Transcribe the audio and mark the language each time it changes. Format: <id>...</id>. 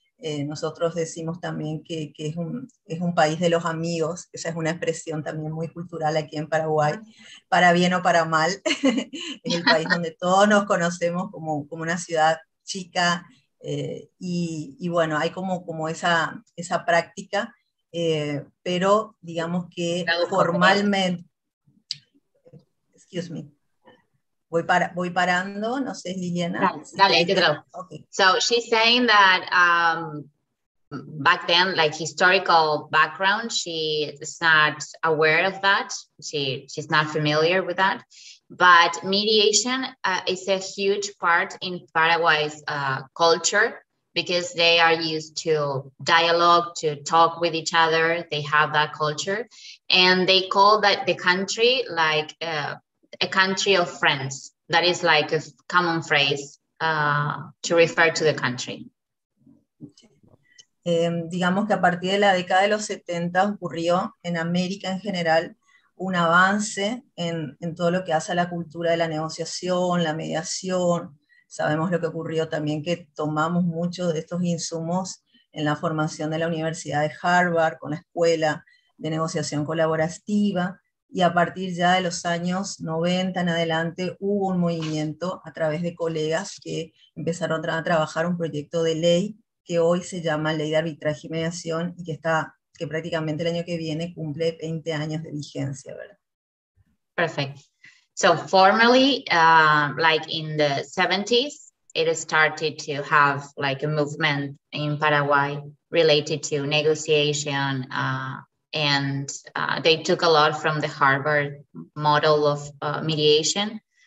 <es>Nosotros decimos también que es un país de los amigos, esa es una expresión también muy cultural aquí en Paraguay, para bien o para mal, es el país donde todos nos conocemos como una ciudad chica, y bueno, hay como esa práctica, pero digamos que formalmente,</es> <en>excuse me,</en> <es>voy parando, no sé, Liliana. Dale, te traigo. Okay.</es> <en>So she's saying that back then, like historical background, she is not aware of that. She's not familiar with that. But mediation is a huge part in Paraguay's culture because they are used to dialogue, to talk with each other. They have that culture. And they call that the country like a country of friends. That is like a common phrase to refer to the country.</en> <es>Digamos que a partir de la década de los 70 ocurrió en América en general un avance en todo lo que hace a la cultura de la negociación, la mediación. Sabemos lo que ocurrió también que tomamos muchos de estos insumos en la formación de la Universidad de Harvard con la Escuela de Negociación Colaborativa. Y a partir ya de los años 90 en adelante hubo un movimiento a través de colegas que empezaron a trabajar un proyecto de ley que hoy se llama Ley de Arbitraje y Mediación y que prácticamente el año que viene cumple 20 años de vigencia, ¿verdad?</es> <en>Perfect. So formally, like in the 70s, it started to have like a movement in Paraguay related to negotiation, and they took a lot from the Harvard model of mediation.</en>